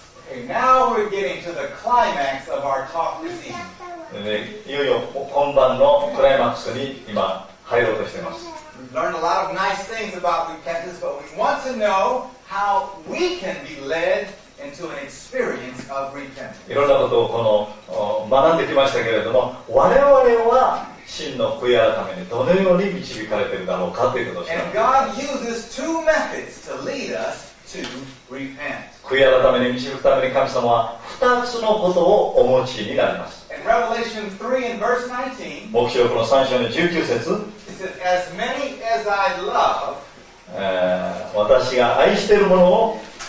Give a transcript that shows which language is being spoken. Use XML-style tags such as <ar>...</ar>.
<en>Okay, now we're getting to the climax of our talk this evening.</en> <ja>いよいよ今晩のクライマックスに今入ろうとしています。</ja> <en>We've learned a lot of nice things about repentance, but we want to know how we can be led. Into an experience of repentance.</en> <ja>いろんなことをこの学んできましたけれども、我々は真の悔い改めにどのように導かれているだろうかということです。</ja> <en>And God uses two methods to lead us to repent.</en> <ja>悔い改めに導くために神様は2つのことをお持ちになります。</ja> <en>And Revelation 3 and verse 19.</en> <ja>黙示録の3章の19節。</ja> <en>It says, "As many as I love."</en> <ja>私が愛しているものを。</ja>